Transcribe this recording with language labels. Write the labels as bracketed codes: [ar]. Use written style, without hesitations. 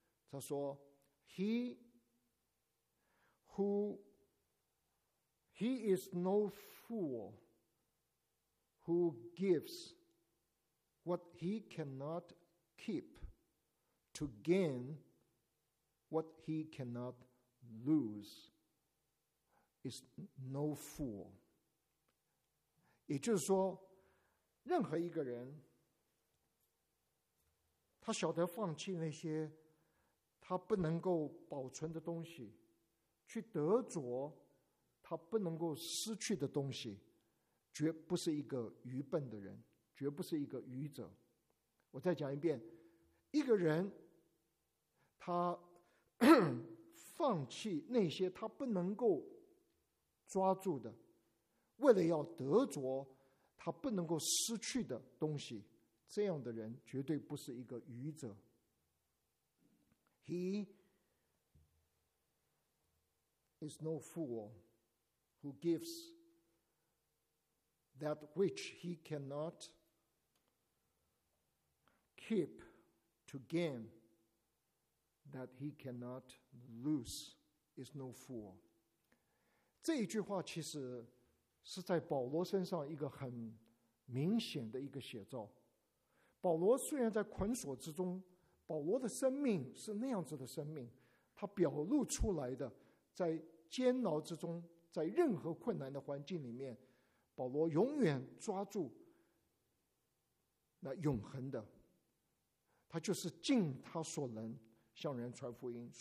[zh] 他说 [en] He is no fool who gives what he cannot keep to gain what he cannot lose is no fool。 [zh] 也就是说，任何一个人他晓得放弃那些他不能够保存的东西，去得着他不能够失去的东西，绝不是一个愚笨的人，绝不是一个愚者。我再讲一遍，一个人他放弃那些他不能够抓住的，为了要得着他不能够失去的东西，这样的人绝对不是一个愚者。 [en] He is no fool who gives that which he cannot keep to gain that he cannot lose is no fool。 [zh] 这一句话其实是在保罗身上一个很明显的一个写照。保罗虽然在捆锁之中，保罗的生命是那样子的生命，他表露出来的在监牢之中，在任何困难的环境里面，保罗永远抓住那永恒的，他就是尽他所能向人传福音。